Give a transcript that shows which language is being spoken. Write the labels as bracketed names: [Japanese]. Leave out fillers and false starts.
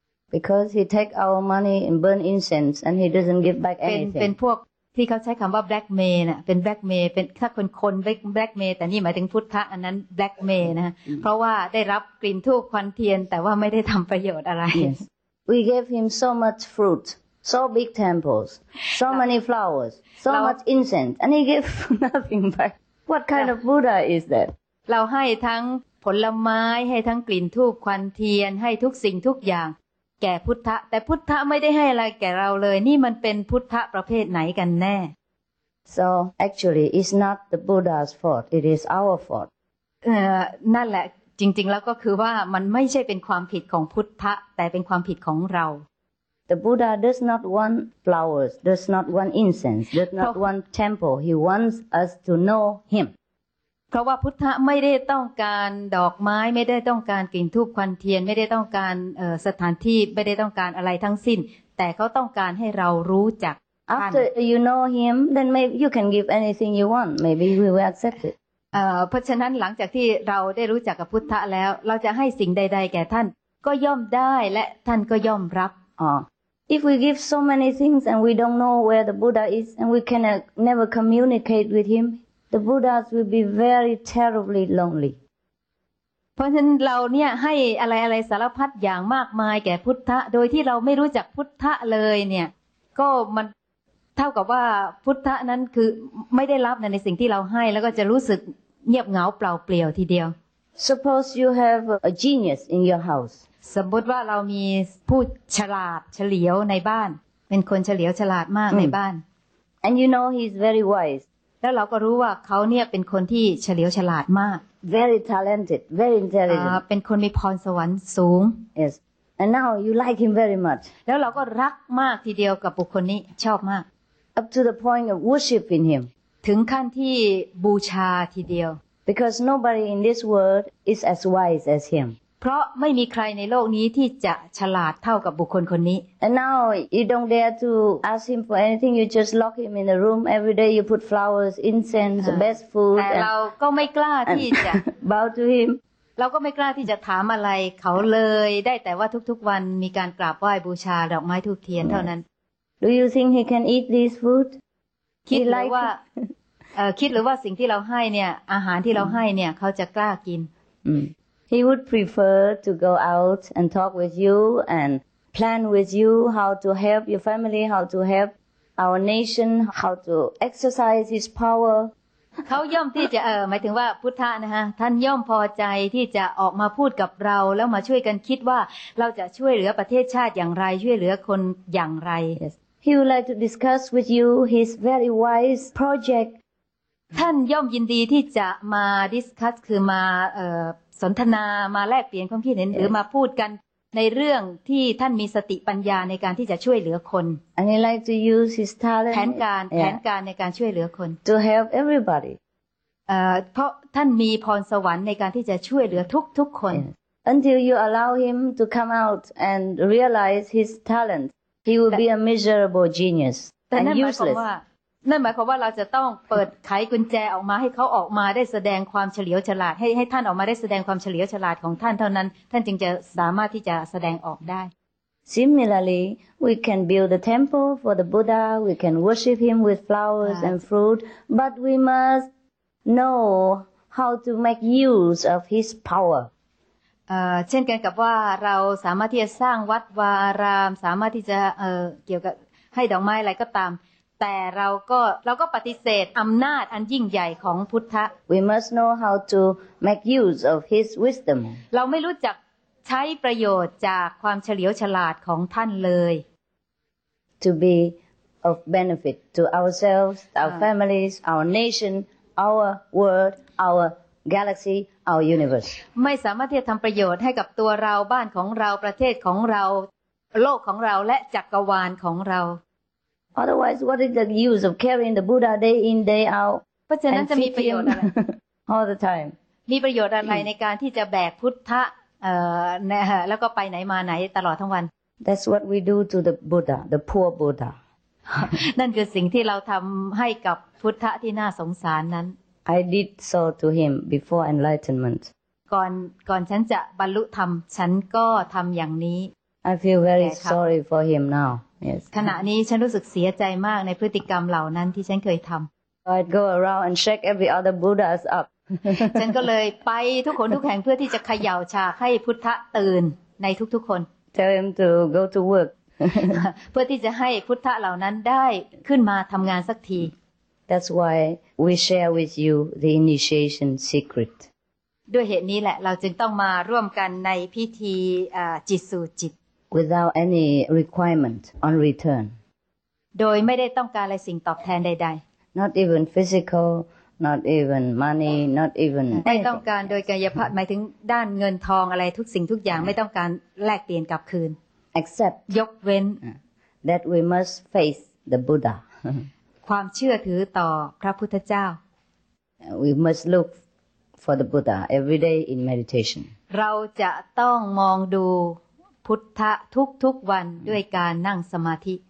[English] because he take our money and burn incense and he doesn't give back anything. [Thai] เป็นพวกที่เขาใช้คำว่า blackmail น่ะเป็นblackmail เป็นถ้าคนblackmail แต่นี่หมายถึงพุทธะอันนั้น blackmail นะเพราะว่าได้รับกลิ่นธูปควันเทียนแต่ว่าไม่ได้ทำประโยชน์อะไร [English] yes. We gave him so much fruit, so big temples, so many flowers, so much incense, and he gave nothing back. What kind of Buddha is that? [Thai] เราให้ทั้งผลไม้ให้ทั้งกลิ่นธูปควันเทียนให้ทุกสิ่งทุกอย่างแก่พุทธะแต่พุทธะไม่ได้ให้อะไรแก่เราเลยนี่มันเป็นพุทธะประเภทไหนกันแน่ [English] So actually it's not the Buddha's fault it is our fault [Thai] นั่นแหละจริงๆแล้วก็คือว่ามันไม่ใช่เป็นความผิดของพุทธะแต่เป็นความผิดของเรา [English] The Buddha does not want flowers does not want incense does not want temple he wants us to know him [Thai] เพราะว่าพุทธะไม่ได้ต้องการดอกไม้ไม่ได้ต้องการกลิ่นธูปควันเทียนไม่ได้ต้องการสถานที่ไม่ได้ต้องการอะไรทั้งสิ้นแต่เขาต้องการให้เรารู้จักท่าน [English] After you know him then maybe you can give anything you want maybe we will accept it [Thai] เพราะฉะนั้นหลังจากที่เราได้รู้จักกับพุทธะแล้วเราจะให้สิ่งใดๆแก่ท่านก็ย่อมได้และท่านก็ย่อมรับ [English] If we give so many things and we don't know where the Buddha is and we can never communicate with him the Buddhas will be very terribly lonely [Thai] เพราะฉะนั้นเราเนี่ยให้อะไรๆสารพัดอย่างมากมายแก่พุทธะโดยที่เราไม่รู้จักพุทธะเลยเนี่ยก็มันเท่ากับว่าพุทธะนั้นคือไม่ได้รับในสิ่งที่เราให้แล้วก็จะรู้สึกเงียบเหงาเปล่าเปลี่ยวทีเดียว [English] Suppose you have a genius in your house [Thai] สมมติว่าเรามีผู้ฉลาดเฉลียวในบ้านเป็นคนเฉลียวฉลาดมากในบ้าน [English] And you know he's very wise [Thai] แล้วเราก็รู้ว่าเขาเนี่ยเป็นคนที่เฉลียวฉลาดมาก [English] Very talented very intelligent [Thai] เป็นคนมีพรสวรรค์สูง [English] Yes and now you like him very much [Thai] แล้วเราก็รักมากทีเดียวกับบุคคลนี้ชอบมาก [English] Up to the point of worshiping him. [Thai] ถึงขั้นที่บูชาทีเดียว [English] Because nobody in this world is as wise as him. [Thai] เพราะไม่มีใครในโลกนี้ที่จะฉลาดเท่ากับบุคคลคนนี้ [English] And now you don't dare to ask him for anything. You just lock him in a room every day. You put flowers, incense, the best food. [Thai] แต่เราก็ไม่กล้าที่จะ [English] bow to him. [Thai] เราก็ไม่กล้าที่จะถามอะไรเขาเลยได้แต่ว่าทุกๆวันมีการกราบไหว้บูชาดอกไม้ธูปเทียนเท่านั้น [English] Do you think he can eat this food? [Thai] คิดหรือว่าคิดหรือว่าสิ่งที่เราให้เนี่ยอาหารที่เราให้เนี่ยเขาจะกล้ากิน [English] He would prefer to go out and talk with you and plan with you how to help your family, how to help our nation, how to exercise his power. [Thai] เขาย่อมที่จะหมายถึงว่าพุทธะนะฮะท่านย่อมพอใจที่จะออกมาพูดกับเราแล้วมาช่วยกันคิดว่าเราจะช่วยเหลือประเทศชาติอย่างไรช่วยเหลือคนอย่างไร [English] Yes. He would like to discuss with you his very wise project. [Thai] ท่านย่อมยินดีที่จะมา discuss คือมาสนทนามาแลกเปลี่ยนความคิดเห็นหรือมาพูดกันในเรื่องที่ท่านมีสติปัญญาในการที่จะช่วยเหลือคน [English] And he like to use his talent. [Thai] แผนการในการช่วยเหลือคน [English] To help everybody. [Thai] เพราะท่านมีพรสวรรค์ในการที่จะช่วยเหลือทุกคน [English] Until you allow him to come out and realize his talent. He will be a miserable genius and useless. [Thai] นั่นหมายความว่าเราจะต้องเปิดไขกุญแจออกมาให้เขาออกมาได้แสดงความเฉลียวฉลาดให้ท่านออกมาได้แสดงความเฉลียวฉลาดของท่านเท่านั้นท่านจึงจะสามารถที่จะแสดงออกได้ [English] Similarly, we can build a temple for the Buddha. We can worship him with flowers and fruit, but we must know how to make use of his power. [Thai] เช่นกันกับว่าเราสามารถที่จะสร้างวัดวารามสามารถที่จะเกี่ยวกับให้ดอกไม้อะไรก็ตามแต่เราก็ปฏิเสธอำนาจอันยิ่งใหญ่ของพุทธะ [English] We must know how to make use of his wisdom [Thai] เราไม่รู้จักใช้ประโยชน์จากความเฉลียวฉลาดของท่านเลย [English] To be of benefit to ourselves our families our nation our world our galaxy our universe [Thai] ไม่สามารถที่จะทำประโยชน์ให้กับตัวเราบ้านของเราประเทศของเราโลกของเราและจักรวาลของเรา [English] otherwise what is the use of carrying the Buddha day in day out [Thai] เพราะฉะนั้นจะมีประโยชน์อะไร [English] all the time [Thai] มีประโยชน์อะไรในการที่จะแบกพุทธะแล้วก็ไปไหนมาไหนตลอดทั้งวัน [English] that's what we do to the Buddha the poor Buddha [Thai] นั่นคือสิ่งที่เราทำให้กับพุทธะที่น่าสงสารนั้น [English] I did so to him before enlightenment. [Thai] ก่อนฉันจะบรรลุธรรมฉันก็ทำอย่างนี้ [English] I feel very sorry for him now. Yes. [Thai] ขณะนี้ฉันรู้สึกเสียใจมากในพฤติกรรมเหล่านั้นที่ฉันเคยทำ [English] I'd go around and shake every other Buddha's up. [Thai] ฉันก็เลยไปทุกคนทุกแห่งเพื่อที่จะเขย่าชาให้พุทธะตื่นในทุกๆคน [English] Tell him to go to work. [Thai] เพื่อที่จะให้พุทธะเหล่านั้นได้ขึ้นมาทำงานสักที [English] That's why we share with you the initiation secret. [Thai] ด้วยเหตุนี้แหละเราจึงต้องมาร่วมกันในพิธีจิตสู่จิต [English] Without any requirement on return. [Thai] โดยไม่ได้ต้องการอะไรสิ่งตอบแทนใด [English] ๆ Not even physical, not even money, not even [Thai] ไม่ต้องการโดยกายภาพหมายถึงด้านเงินทองอะไรทุกสิ่งทุกอย่างไม่ต้องการแลกเปลี่ยนกลับคืน [English] Except [Thai] ยกเว้น [English] that we must face the Buddha. [Thai] ความเชื่อถือต่อพระพุทธเจ้า [English] We must look for the Buddha every day in meditation. [Thai] เราจะต้องมองดูพุทธะทุกๆวันด้วยการนั่งสมาธิ